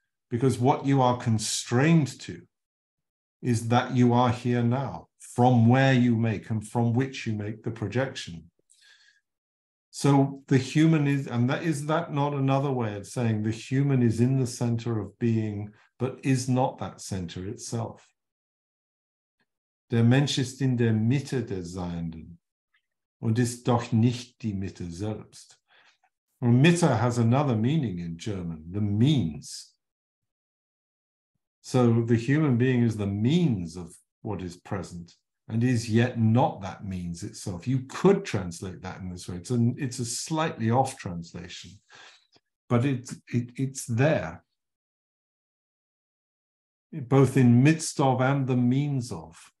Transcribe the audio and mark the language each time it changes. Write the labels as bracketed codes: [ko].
[en] Because what you are constrained to is that you are here now, from where you make and from which you make the projection. So the human is, and that is that not another way of saying the human is in the center of being, but is not that center itself? [de] Der Mensch ist in der Mitte des Seienden und ist doch nicht die Mitte selbst. [en] Well, Mitte has another meaning in German, the means. So the human being is the means of what is present and is yet not that means itself. You could translate that in this way. It's a slightly off translation, but it's there, both in midst of and the means of.